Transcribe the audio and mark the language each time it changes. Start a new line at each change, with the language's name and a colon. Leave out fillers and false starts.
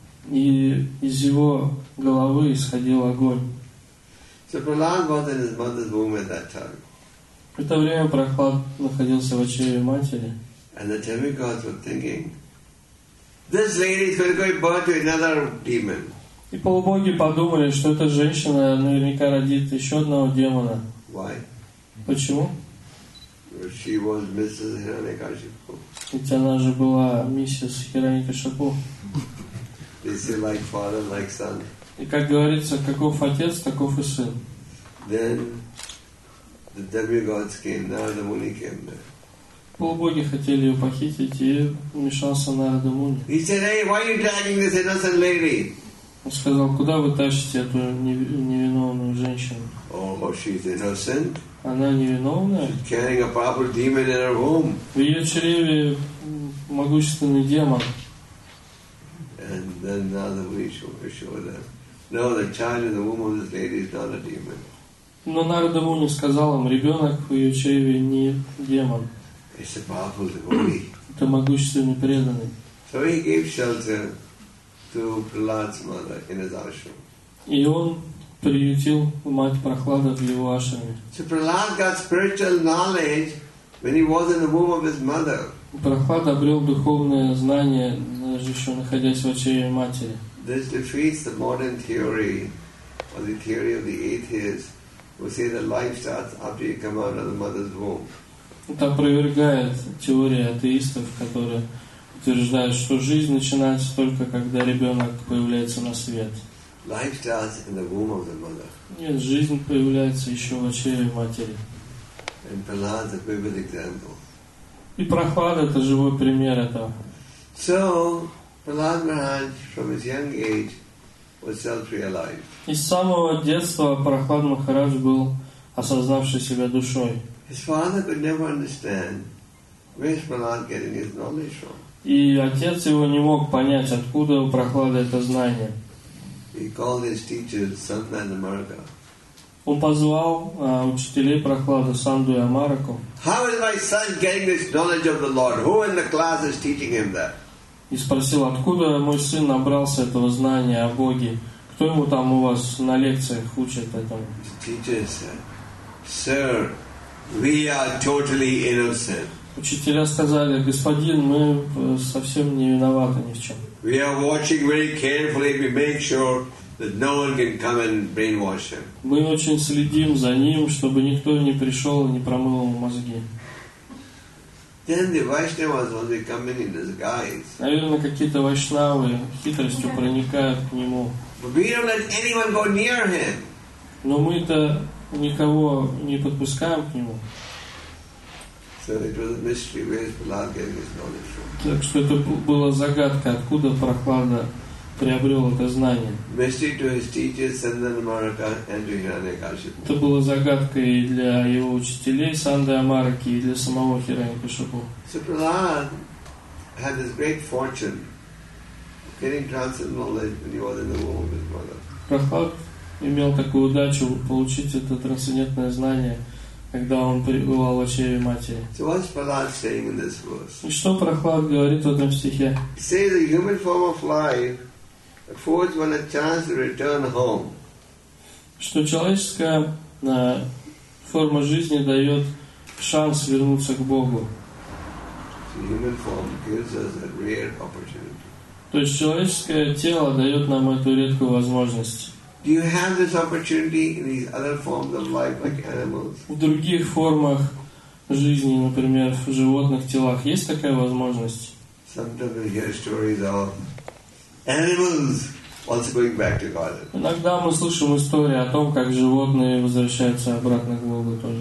Russian: И из его головы исходил огонь. В это время Прохлад находился в очереди матери.
English: And the demigods were thinking, this lady is going to give birth to another demon.
Russian: И полубоги подумали, что эта женщина наверняка родит еще одного демона.
English: Why?
Russian: Почему?
English: She was Mrs. Hiranyakashipu.
Russian: Ведь она же была миссис Хираньякашипу.
English: They say like father, like son.
Russian: И как говорится, каков отец, таков и сын.
English: Then the demigods came, Narada Muni came there.
Russian: Полубоги хотели ее похитить, и вмешался Нарада Муни.
English: He said, hey, why are you dragging this innocent lady?
Russian: Он сказал, куда вы тащите эту невиновную женщину?
English: Oh, she's innocent.
Russian: Она невиновная.
English: She's carrying a proper demon in her womb.
Russian: В ее чреве могущественный демон.
English: And then Narada Muni showed them, no, the child in the womb of this lady is not a demon.
Russian: Но Нарада Муни сказал им, ребенок в ее чреве не демон.
English: It's a powerful devotee.
Russian: Это могущественный преданный.
English: So he gave shelter to Prahlad's mother in his ashram.
Russian: И он приютил мать Прохлада в его ашраме.
English: So Prahlad got spiritual knowledge when he was in the womb of his mother.
Russian: Прохлад обрел духовное знание, даже еще находясь в чреве матери.
English: This defeats the modern theory or the theory of the atheists who say that life starts after you come out of the mother's womb.
Russian: Это опровергает теорию атеистов, которые утверждают, что жизнь начинается только, когда ребенок появляется на свет.
English: Life starts in the womb of the mother.
Russian: Нет, жизнь появляется еще в чреве матери.
English: And Prahlad is a vivid example.
Russian: И Прохлад – это живой пример этого.
English: So, Prahlad Maharaj, from his young age, was self-realized.
Russian: И с самого детства Прохлад Махарадж был осознавший себя душой.
English: His father could never understand where is Prahlad getting his knowledge from.
Russian: И отец его не мог понять, откуда у Прохлада это знание.
English: He called his teacher Sandu Amaraku.
Russian: Он позвал учителей Прохлада Санду и Амараку.
English: How is my son getting this knowledge of the Lord? Who in the class is teaching him that?
Russian: И спросил, откуда мой сын набрался этого знания о Боге? Кто ему там у вас на лекциях учит этому?
English: His teacher said, sir, we are totally innocent.
Russian: Учителя сказали, господин, мы совсем не виноваты ни в чем.
English: We are watching very carefully. We make sure that no one can come and brainwash him.
Russian: Мы очень следим за ним, чтобы никто не пришел и не промыл ему мозги.
English: Then the Vaishnavas only come in disguise.
Russian: Наверное, какие-то вайшнавы хитростью проникают к нему.
English: But we don't let anyone go near him.
Russian: Но мы-то никого не подпускаем к нему.
English: So it was a mystery where Prahlad getting his knowledge from.
Russian: Так что это была загадка, откуда Прохлада приобрел это знание.
English: Mystery to his teacher Sandana Maraka and to Hiranyakashipu.
Russian: Это была загадка и для его учителей Санды Амараки и для самого Хираньякашипу.
English: So Prahlad had this great fortune getting transcendental knowledge when he was in the womb of his mother.
Russian: Имел такую удачу получить это трансцендентное знание, когда он пребывал в чреве матери.
English: So what's Prahlad saying in this verse?
Russian: И что Прохлад говорит в этом стихе?
English: He says the human form of life affords one a chance to return home.
Russian: Что человеческая форма жизни дает шанс вернуться к Богу.
English: The human form gives us a rare opportunity.
Russian: То есть человеческое тело дает нам эту редкую возможность.
English: Do you have this opportunity in these other forms of life, like animals?
Russian: В других формах жизни, например, в животных телах, есть такая возможность?
English: Sometimes we hear stories of animals also going back to garden.
Russian: Иногда мы слышим истории о том, как животные возвращаются обратно к Богу тоже.